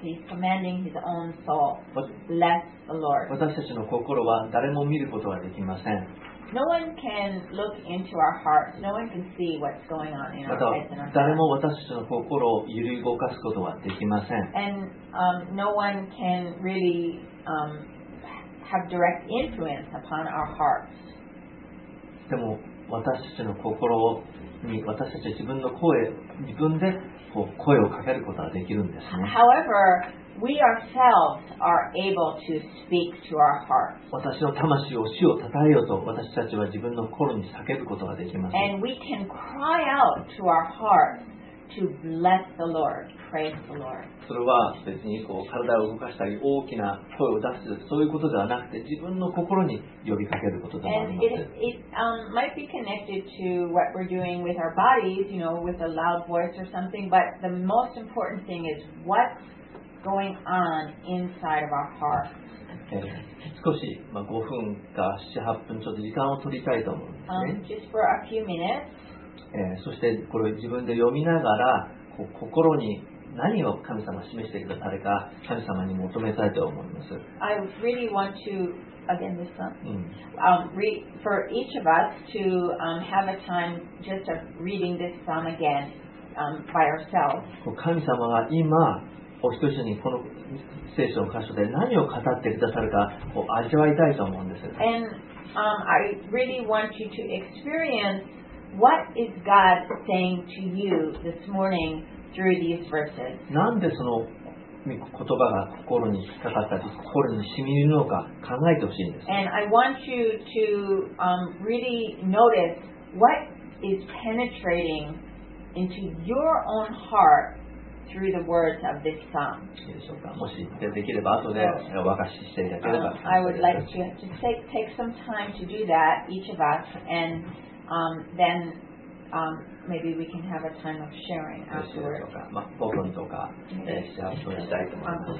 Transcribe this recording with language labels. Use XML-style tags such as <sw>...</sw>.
<en>He's commanding his own soul. Bless the Lord.</en> <ja>私たちの心は誰も見ることはできません。</ja> <en>No one can look into our hearts. No one can see what's going on in our heads and our hearts.</en> <ja>誰も私たちの心を揺り動かすことはできません。</ja> <en>And no one can really have direct influence upon our hearts.</en> <ja>でも私たちの心を私たちは自分の声、自分でこう声をかけることができるんですね。</ja> <en>However, we ourselves are able to speak to our hearts.</en> <ja>私の魂を主を称えようと私たちは自分の心に叫ぶことができます。</ja> <en>And we can cry out to our hearts to bless the Lord, praise the Lord.</en> <ja>それは別にこう体を動かしたり大きな声を出すそういうことではなくて自分の心に呼びかけることでもあります。</ja> <en>And it might be connected to what we're doing with our bodies, you know, with a loud voice or something, but the most important thing is what's going on inside of our heart.</en> <ja>少し、まあ、5分か7、8分ちょっと時間を取りたいと思うんですね。</ja> <en>Just for a few minutes.</en> <ja>そしてこれを自分で読みながらこう心に何を神様示してくださるか神様に求めたいと思います。</ja> <en>I really want to, again this one,、for each of us to have a time just of reading this psalm again by ourselves.</en> <ja>神様が今お一人にこの聖書の箇所で何を語ってくださるかを味わいたいと思うんです。</ja> <en>And I really want you to experience what is God saying to you this morning through these verses.</en> <ja>なんでその言葉が心に引っかかったり心に染みるのか考えてほしいんです。</ja> <en>And I want you to really notice what is penetrating into your own heart. Through the words of this song.</en> <ja>もしできれば後でお明かししていただければ。</ja> <en>I would like to take some time to do that, each of us, and then maybe we can have a time of sharing afterwards.</en> <ja>5分とか、しゃべりたいと思います。</ja>